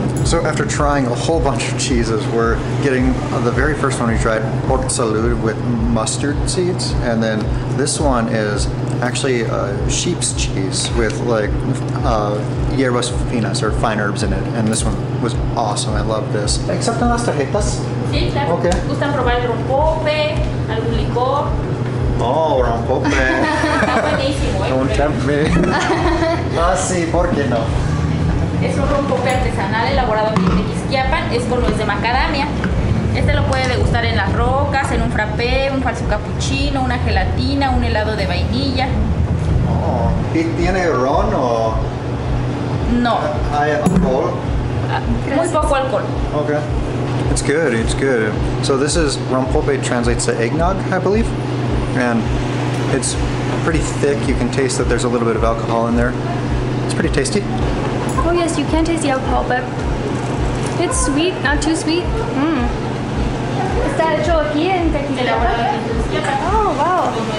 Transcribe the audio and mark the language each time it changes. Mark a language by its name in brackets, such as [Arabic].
[English] So after trying a whole bunch of cheeses, we're getting the very first one we tried, Por Salud, with mustard seeds. And then this one is actually a sheep's cheese with like [Spanish] hierbas finas [English] or fine herbs in it. And this one was awesome. I love this. [Spanish] ¿Aceptan las tarjetas? Sí, claro. ¿Gustan probar el rompope, algún licor? Oh, rompope. Está buenísimo. [English] Don't tempt me. [Spanish] Ah, sí, ¿por qué no? Es un rompope artesanal elaborado aquí en Tequisquiapan, es con nuez de macadamia. Este lo puede degustar en las rocas, en un frappé, un falso cappuccino, una gelatina, un helado de vainilla. Oh, ¿y tiene ron o...? No. ¿Hay alcohol? Muy poco alcohol. [English] Ok. It's good, it's good. So this is, rompope translates to eggnog, I believe. And it's pretty thick, you can taste that there's a little bit of alcohol in there. It's pretty tasty. Oh yes, you can taste the alcohol, but it's sweet, not too sweet. Mmm. [Spanish] Está hecho aquí en Tequisquiapan. [English] Oh, wow.